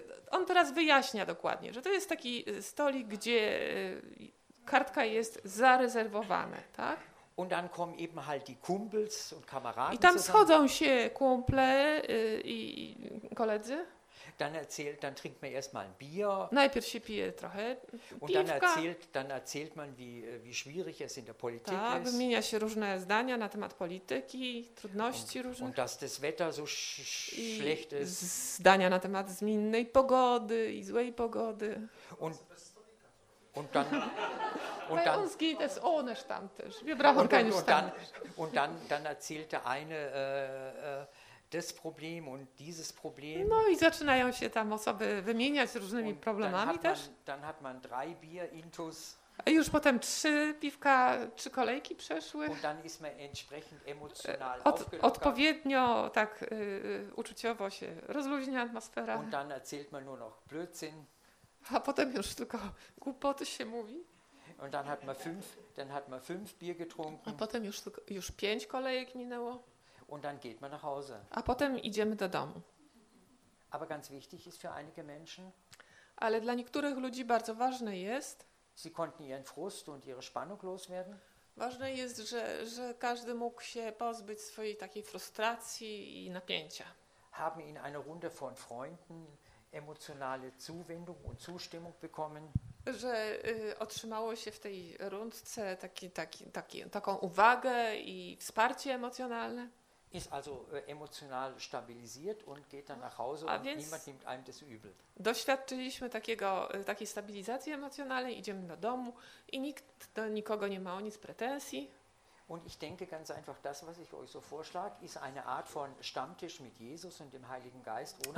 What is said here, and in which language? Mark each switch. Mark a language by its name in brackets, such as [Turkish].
[Polish] On teraz wyjaśnia dokładnie, że to jest taki stolik, gdzie kartka jest zarezerwowana, tak? [German] Und dann kommen eben halt die Kumpels und Kameraden. [Polish] I tam schodzą się kumple i koledzy. [German] Dann trinkt man erstmal ein Bier. [Polish] Najpierw się pije trochę piwka. [German] Und dann erzählt man, wie schwierig es in der Politik ist. [Polish] Tak, wymienia się różne zdania na temat polityki, trudności różne. [German] Und dass das Wetter so schlecht ist. [Polish] Zdania na temat zmiennej pogody i złej pogody. [German] Und dann uns geht es ohne Stammtisch. Wir brauchen keinen Stammtisch. Und dann erzählt der eine das Problem und dieses Problem. [Polish] No i zaczynają się tam osoby wymieniać różnymi problemami też. [German] Dann hat man drei Bier intus. [Polish] A już potem trzy piwka, trzy kolejki przeszły. [German] Und dann ist man entsprechend emotional [Polish] odpowiednio tak uczuciowo się rozluźnia atmosfera. [German] Und dann erzählt man nur noch Blödsinn. [Polish] A potem już tylko głupoty się mówi. [German] Und dann hat man fünf Bier getrunken. [Polish] A potem już pięć kolejek minęło. [German] Und dann geht man nach Hause. [Polish] A potem idziemy do domu. [German] Aber ganz wichtig ist für einige Menschen. [Polish] Ale dla niektórych ludzi bardzo ważne jest. [German] Sie konnten ihren Frust und ihre Spannung loswerden. [Polish] Ważne jest, że każdy mógł się pozbyć swojej takiej frustracji i napięcia. [German] Haben in einer Runde von Freunden emocjonalne Zuwendung und Zustimmung bekommen. [Polish] Że otrzymało się w tej rundce taką uwagę i wsparcie emocjonalne. [German] Ist also emotional stabilisiert und geht dann nach Hause und niemand nimmt einem das übel. [Polish] Doświadczyliśmy takiej stabilizacji emocjonalnej, idziemy do domu i nikt do nikogo nie ma o nic pretensji. [German] Und ich denke ganz einfach, das, was ich euch so vorschlage, ist eine Art von Stammtisch mit Jesus und dem Heiligen Geist ohne